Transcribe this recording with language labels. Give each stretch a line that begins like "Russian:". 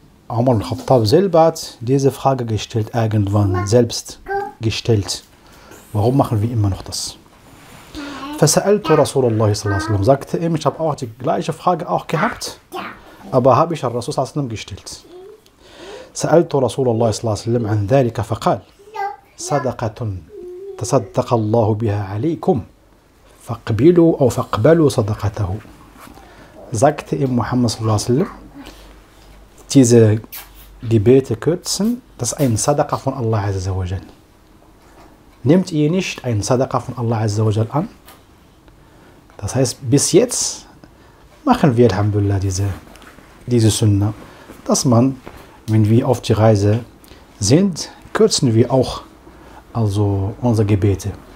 German: عمر الخطاب selber hat diese Frage gestellt, irgendwann selbst gestellt. Warum machen wir immer noch das?
Arabic: فسألت رسول الله صلى الله عليه وسلم.
German: Sagte ihm, ich habe auch die gleiche Frage auch gehabt, aber habe ich Rasul
Arabic: صلى الله عليه وسلم
German: gestellt.
Arabic: سألت رسول الله صلى الله عليه وسلم عن ذلك فقال صدقة تصدق الله بها عليكم فاقبلوا أو فاقبلوا صدقته.
German: Sagte ihm Muhammad
Arabic: sallallahu alaihi wasallam,
German: diese Gebete kürzen, das ist ein Sadaqa von Allah azza wa jal. Nehmt ihr nicht ein Sadaqa von Allah azza wa jal an? Das heißt, bis jetzt machen wir alhamdulillah diese Sunna, dass man, wenn wir auf die Reise sind, kürzen wir auch also unsere Gebete.